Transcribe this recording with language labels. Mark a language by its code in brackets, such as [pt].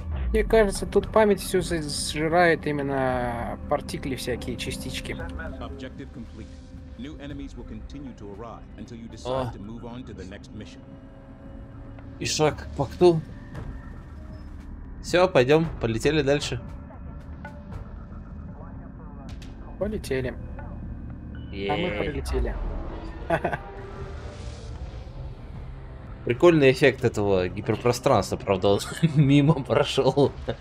[ru] Мне кажется, тут память все сжирает именно партикли всякие, частички. [en] Objective complete. New enemies will continue to arrive until you decide to move on to the next mission. [ru] Ишак, по кто? Все, пойдем, полетели дальше. Полетели. Е-е-е. А мы полетели. Прикольный эффект этого гиперпространства, правда, он мимо прошел.